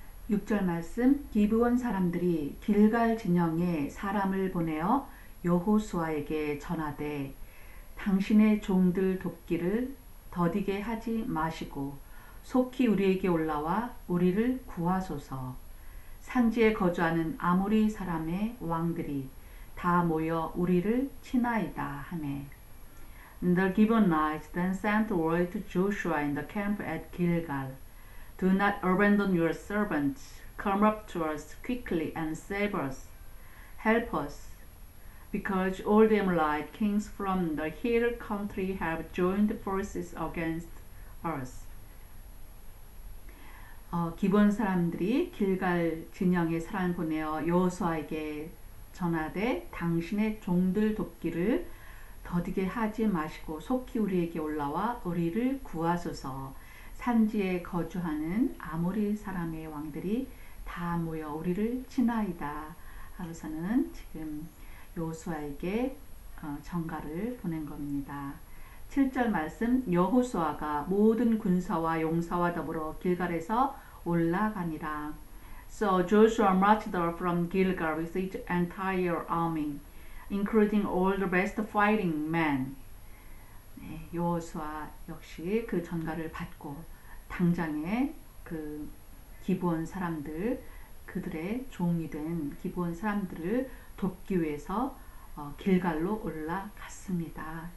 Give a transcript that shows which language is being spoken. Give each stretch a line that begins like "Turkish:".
Korean: 6절 말씀, 기브온 사람들이 길갈 진영에 사람을 보내어 여호수아에게 전하되 당신의 종들 돕기를 더디게 하지 마시고 속히 우리에게 올라와 우리를 구하소서. 산지에 거주하는 아모리 사람의 왕들이 다 모여 우리를 치나이다 하매.
English: The Gibeonites then sent word to Joshua in the camp at Gilgal. Do not abandon your servants. Come up to us quickly and save us. Help us. Because all the Amorite kings from the hill country have joined forces against us.
Korean: 기본 사람들이 길갈 진영에 사람 보내어 여호수아에게 전하되 당신의 종들 돕기를 더디게 하지 마시고 속히 우리에게 올라와 우리를 구하소서. 산지에 거주하는 아모리 사람의 왕들이 다 모여 우리를 치나이다 하고서는 지금 여호수아에게 전갈을 보낸 겁니다. 7절 말씀, 여호수아가 모든 군사와 용사와 더불어 길갈에서 올라가니라.
English: So Joshua marched up from Gilgal with his entire army, including all the best fighting men.
Korean: 네, 여호수아 역시 그 전갈을 받고 당장에 그 기브온 사람들, 그들의 종이 된 기브온 사람들을 돕기 위해서 길갈로 올라갔습니다.